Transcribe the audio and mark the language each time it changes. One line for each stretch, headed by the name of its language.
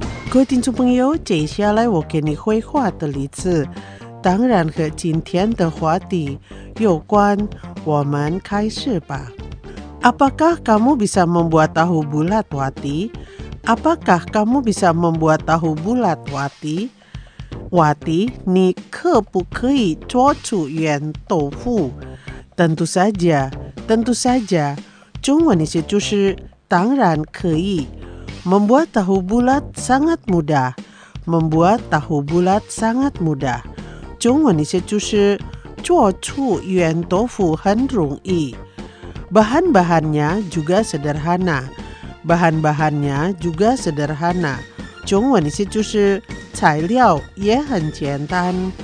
Chinese: 各位听众朋友，接下来我给你绘画的例子，当然和今天的话题有关。我们开始吧。
Indonesian: Apakah kamu bisa membuat tahu bulat, Wati? Apakah kamu bisa membuat tahu bulat, Wati?
Chinese: Wati, 你可不可以做出圆豆腐？
Indonesian: Tentu saja.
Chinese: 中文意思就是当然可以。
Indonesian: Membuat tahu bulat sangat mudah. Membuat tahu bulat sangat mudah.
Chinese: 中文意思就是做出圆豆腐很容易。
Indonesian: Bahan-bahannya juga sederhana. Bahan-bahannya juga sederhana.
Chinese: 中文意思就是材料也很简单。